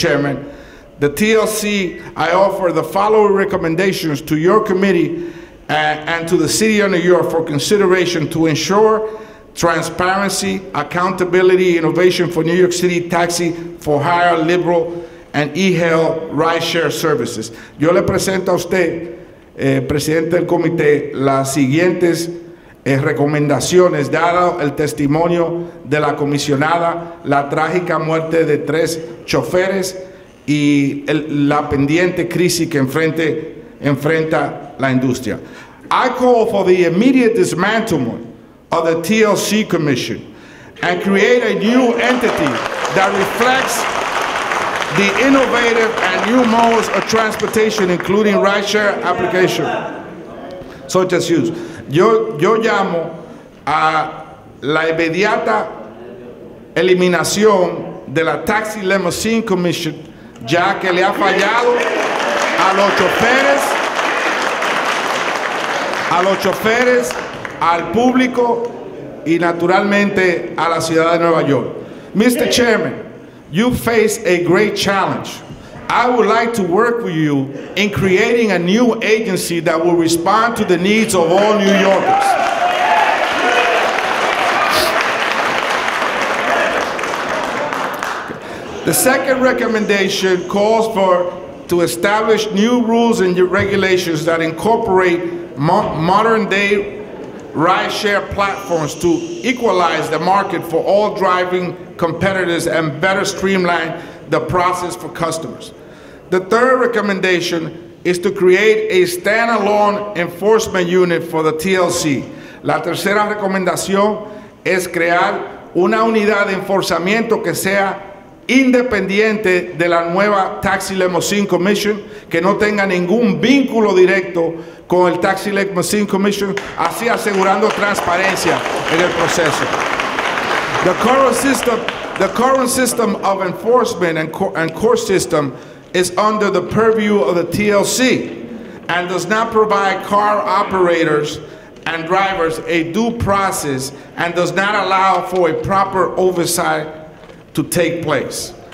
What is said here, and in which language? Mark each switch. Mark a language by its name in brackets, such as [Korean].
[English] Chairman, the TLC, I offer the following recommendations to your committee and to the City of New York for consideration to ensure transparency, accountability, innovation for New York City taxi for hire, liberal, and e-hail rideshare services. [Spanish] Yo le presento a usted, Presidente del Comité, las siguientes recomendaciones, dado el testimonio de la comisionada, la trágica muerte de tres choferes y la pendiente crisis que enfrenta la industria. [English] I call for the immediate dismantlement of the TLC Commission and create a new entity that reflects the innovative and new modes of transportation, including rideshare application, such as use. [Spanish] Yo llamo a la inmediata eliminación de la Taxi Limousine Commission, ya que le ha fallado a los choferes, al público y naturalmente a la ciudad de Nueva York. [English] Mr. Chairman, you face a great challenge. I would like to work with you in creating a new agency that will respond to the needs of all New Yorkers. The second recommendation calls for to establish new rules and regulations that incorporate modern-day rideshare platforms to equalize the market for all driving competitors and better streamline the process for customers. The third recommendation is to create a standalone enforcement unit for the TLC. [Spanish] La tercera recomendación es crear una unidad de enforzamiento que sea independiente de la nueva Taxi Limousine Commission, que no tenga ningún vínculo directo con el Taxi Limousine Commission, así asegurando transparencia en el proceso. [English] The current system of enforcement and court system is under the purview of the TLC and does not provide car operators and drivers a due process and does not allow for a proper oversight to take place.